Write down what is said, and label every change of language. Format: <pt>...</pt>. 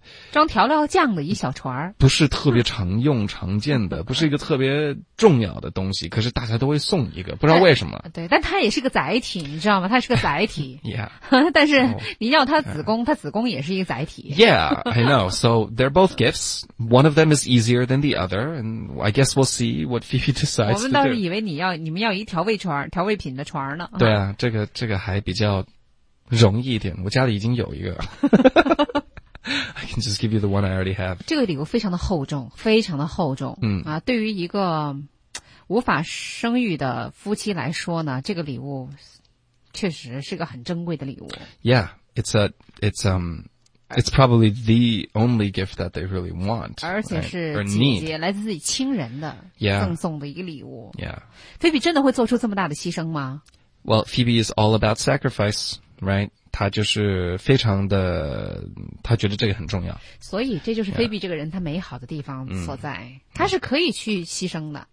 <zh>装调料酱的一小船，不是特别常用常见的，不是一个特别重要的东西，可是大家都会送一个，不知道为什么。对，但它也是个载体，你知道吗？它是个载体。</zh> <en>yeah，</en> <zh>但是你要它子宫，它子宫也是一个载体。</zh> <en>Yeah， I know. So they're both gifts. One of them is easier than the other, and I guess we'll see what Phoebe decides.</en> <zh>我们倒是以为你们要一调味船、调味品的船呢。对啊，这个还比较容易一点，我家里已经有一个。</zh> <en>I can just give you the one I already have.</en> <zh>这个礼物非常的厚重，非常的厚重。嗯啊，对于一个无法生育的夫妻来说呢，这个礼物确实是个很珍贵的礼物。</zh> <en>Yeah, it's probably the only gift that they really want.</en> <zh>而且是自己来自自己亲人的赠送的一个礼物。</zh> <en>Yeah，</en> <zh>菲比真的会做出这么大的牺牲吗？</zh> <en>Well, Phoebe is all about sacrifice, right?</en> <zh>她就是非常的，她觉得这个很重要。所以这就是 Phoebe 这个人她美好的地方所在。她是可以去牺牲的。</zh>